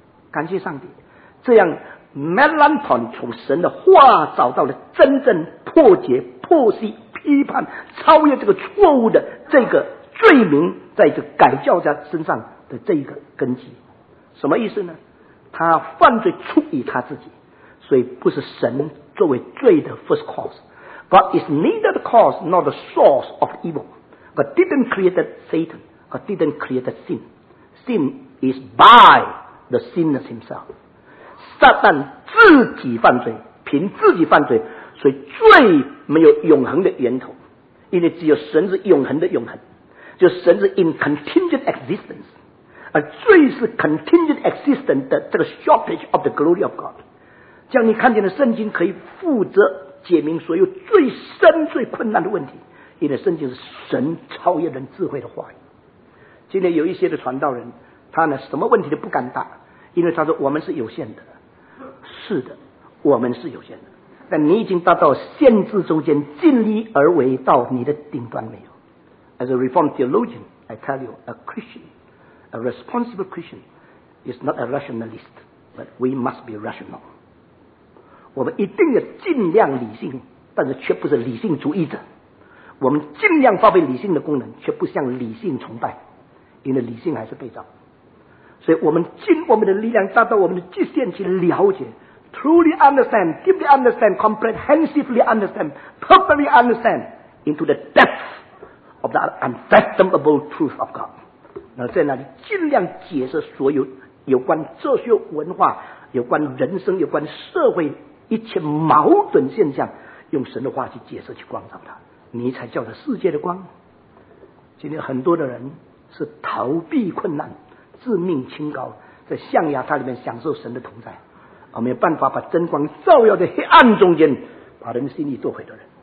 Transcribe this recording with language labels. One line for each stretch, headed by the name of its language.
Chinese: 感谢上帝，这样 Melanchthon 从神的话找到了真正破解、破析、批判、超越这个错误的这个罪名在这改教家身上的这个根基。什么意思呢？他犯罪出于他自己，所以不是神作为罪的 first cause。
English: God is neither the cause nor the source of evil. God didn't create Satan. God didn't create sin. Sin is by the sinner himself.
Chinese: 撒旦自己犯罪，凭自己犯罪，所以罪没有永恒的源头，因为只有神是永恒的永恒，就是神是
English: in contingent existence。
Chinese: 而罪是
English: contingent existence
Chinese: 的这个
English: shortage of the glory of God。
Chinese: 这样你看见的圣经可以负责解明所有最深最困难的问题，因为圣经是神超越人智慧的话语。今天有一些的传道人，他呢什么问题都不敢答，因为他说我们是有限的。是的，我们是有限的，但你已经达到限制中间尽力而为到你的顶端没有。
English: As a reformed theologian I tell you, a ChristianA responsible Christian is not a rationalist, but we must be rational.
Chinese: 我们一定要尽量理性，但是却不是理性主义者。我们尽量发挥理性的功能，却不向理性崇拜，因为理性还是被造。所以我们尽我们的力量，达到我们的极限去了解，
English: truly understand, deeply understand, comprehensively understand, perfectly understand into the depth of the unfathomable truth of God.
Chinese: 在那里尽量解释所有有关哲学文化、有关人生、有关社会一切矛盾现象，用神的话去解释、去光照它，你才叫做世界的光。今天很多的人是逃避困难、自命清高，在象牙塔里面享受神的同在，而没有办法把真光照耀在黑暗中间，把人心里做毁的人。